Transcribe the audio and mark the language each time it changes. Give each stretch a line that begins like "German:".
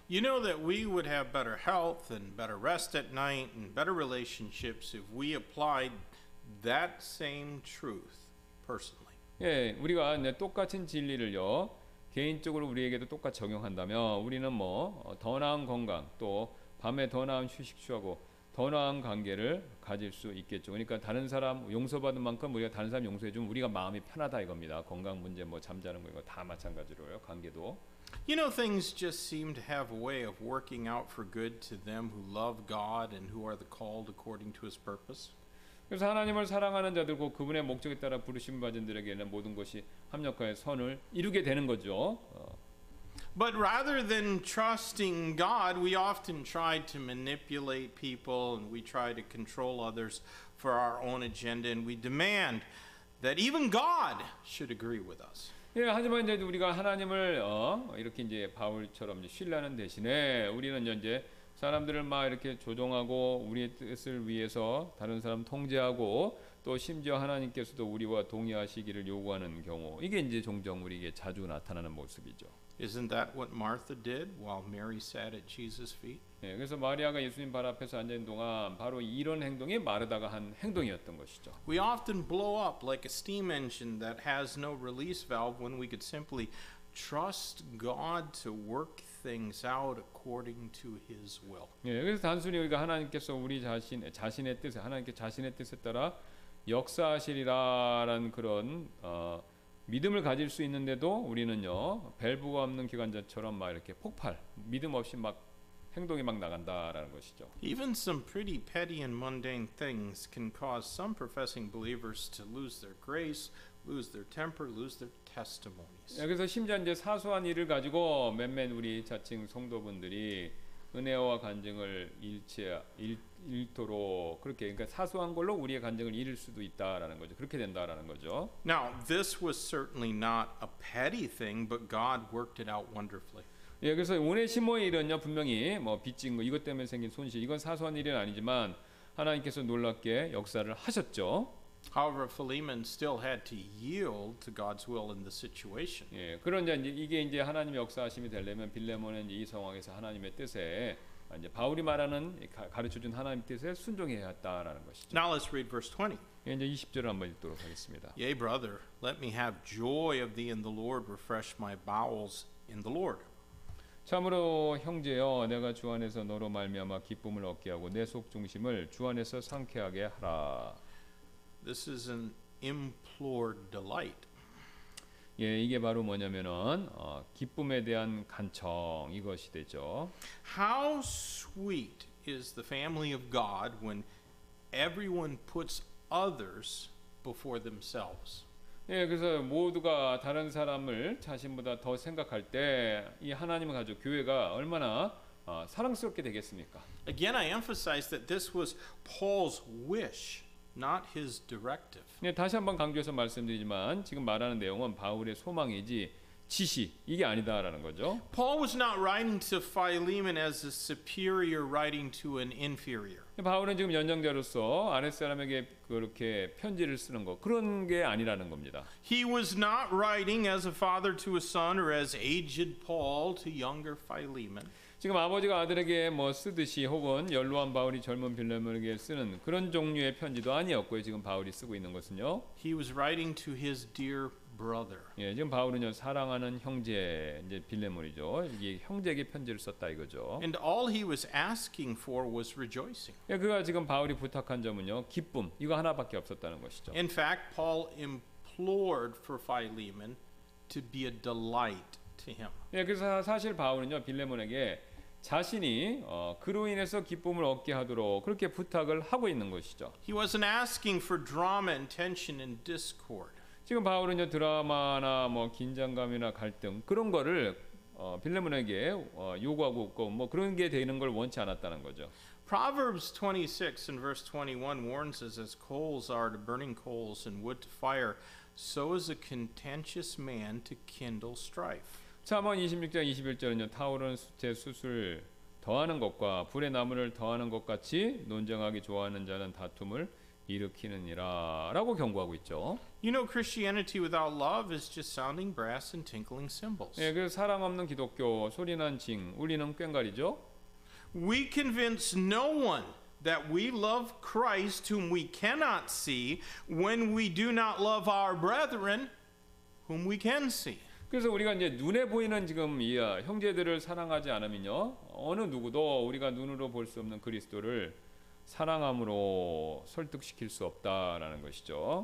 English: You know that we would have better health and better rest at night and better relationships if we applied that same truth personally.
Korean: 예, 우리가 이제 똑같은 진리를요 개인적으로 우리에게도 똑같이 적용한다면 우리는 뭐 더 나은 건강 또 밤에 더 나은 휴식 취하고 더 나은 관계를 가질 수 있겠죠. 그러니까 다른 사람 용서받은 만큼 우리가 다른 사람 용서해주면 우리가 마음이 편하다 이겁니다. 건강 문제, 뭐 잠자는 거 이거 다 마찬가지로요. 관계도.
English: You know, things just seem to have a way of working out for good to them who love God and who are the called according to His purpose.
Korean: 그래서 하나님을 사랑하는 자들고 그분의 목적에 따라 부르심 받은 자들에게는 모든 것이 합력하여 선을 이루게 되는 거죠.
English: But rather than trusting God, we often try to manipulate people and we try to control others for our own agenda and we demand that even God should agree with us.
Korean: 예, 하지만 이제 우리가 하나님을 이렇게 이제 바울처럼 이제 신뢰하는 대신에 우리는 이제 사람들을 막 이렇게 조종하고 우리의 뜻을 위해서 다른 사람 통제하고 또 심지어 하나님께서도 우리와 동의하시기를 요구하는 경우 이게 이제 종종 우리에게 자주 나타나는 모습이죠.
English: Isn't that what Martha did while Mary sat at Jesus' feet?
Korean: 예, 그래서 마리아가 예수님 발 앞에서 앉은 동안 바로 이런 행동이 마르다가 한 행동이었던 것이죠.
English: We often blow up like a steam engine that has no release valve when we could simply trust God to work things out according to His will.
Korean: 예, 그래서 단순히 우리가 하나님께서 우리 자신의 뜻에 하나님께 자신의 뜻에 따라 역사하시리라라는 그런 믿음을 가질 수 있는데도 우리는요 밸브가 없는 기관자처럼 막 이렇게 폭발 믿음 없이 막 행동이 막 나간다라는 것이죠.
English: Even some pretty petty and mundane things can cause some professing believers to lose their grace, lose their temper, lose their testimonies.
Korean: 여기서 심지어 이제 사소한 일을 가지고 몇몇 우리 자칭 성도분들이 은혜와 간증을 잃도록 그렇게 그러니까 사소한 걸로 우리의 간증을 잃을 수도 있다라는 거죠. 그렇게 된다라는 거죠.
English: Now this was certainly not a petty thing, but God worked it out wonderfully.
Korean: 예, 그래서 오네시모의 일은요 분명히 뭐 빚진 거 이것 때문에 생긴 손실 이건 사소한 일은 아니지만 하나님께서 놀랍게 역사를 하셨죠.
English: However, Philemon still had to yield to God's will in the situation.
Korean: 예, 그런 이제 이게 이제 하나님의 역사하심이 되려면 빌레몬은 이 상황에서 하나님의 뜻에 이제 바울이 말하는 가르쳐준 하나님 뜻에 순종해야 했다라는 것이죠.
English: Now let's read verse 20.
Korean: 예, 이제 20절을 한번 읽도록 하겠습니다.
English: Yea, brother, let me have joy of thee in the Lord. Refresh my bowels in the Lord.
Korean: 참으로 형제여, 내가 주 안에서 너로 말미암아 기쁨을 얻게 하고 내 속 중심을 주 안에서 상쾌하게 하라.
English: This is an implored delight.
Korean: 예, 이게 바로 뭐냐면은 기쁨에 대한 간청 이것이 되죠.
English: How sweet is the family of God when everyone puts others before themselves?
Korean: 예, 그래서 모두가 다른 사람을 자신보다 더 생각할 때 이 하나님의 가족 교회가 얼마나 사랑스럽게 되겠습니까?
English: Again, I emphasize that this was Paul's wish. Not his directive.
Korean: 네, 다시 한번 강조해서 말씀드리지만 지금 말하는 내용은 바울의 소망이지 지시 이게 아니다라는 거죠.
English: Paul was not writing to Philemon as a superior writing to an inferior.
Korean: 바울은 지금 연장자로서 아래 사람에게 그렇게 편지를 쓰는 거 그런 게 아니라는 겁니다.
English: He was not writing as a father to a son or as aged Paul to younger Philemon.
Korean: 지금 아버지가 아들에게 뭐 쓰듯이 혹은 연로한 바울이 젊은 빌레몬에게 쓰는 그런 종류의 편지도 아니었고요. 지금 바울이 쓰고 있는 것은요.
English: He was writing to his dear brother.
Korean: 예, 지금 바울은요 사랑하는 형제 이제 빌레몬이죠. 이게 형제에게 편지를 썼다 이거죠.
English: And all he was asking for was rejoicing.
Korean: 예, 그가 지금 바울이 부탁한 점은요 기쁨 이거 하나밖에 없었다는 것이죠.
English: In fact, Paul implored for Philemon to be a delight.
Korean: 예, 그래서 사실 바울은요 빌레몬에게 자신이 그로 인해서 기쁨을 얻게 하도록 그렇게 부탁을 하고 있는 것이죠.
English: He wasn't asking for drama and tension and discord.
Korean: 지금 바울은요 드라마나 뭐 긴장감이나 갈등 그런 거를 빌레몬에게 요구하고 있고 뭐 그런 게 되는 걸 원치 않았다는 거죠.
English: Proverbs 26 and verse 21 warns us as coals are to burning coals and wood to fire, so is a contentious man to kindle strife.
Korean: 잠언 26장 21절은요 타오른 수채 수술 더하는 것과 불의 나무를 더하는 것 같이 논쟁하기 좋아하는 자는 다툼을 일으키느니라라고 경고하고 있죠.
English: You know, Christianity without love is just sounding brass and tinkling cymbals.
Korean: 예, 그 사랑 없는 기독교 소리난 징 울리는 꽹과리죠.
English: We convince no one that we love Christ whom we cannot see when we do not love our brethren whom we can see.
Korean: 그래서 우리가 이제 눈에 보이는 지금 이 형제들을 사랑하지 않으면요 어느 누구도 우리가 눈으로 볼 수 없는 그리스도를 사랑함으로 설득시킬 수 없다라는 것이죠.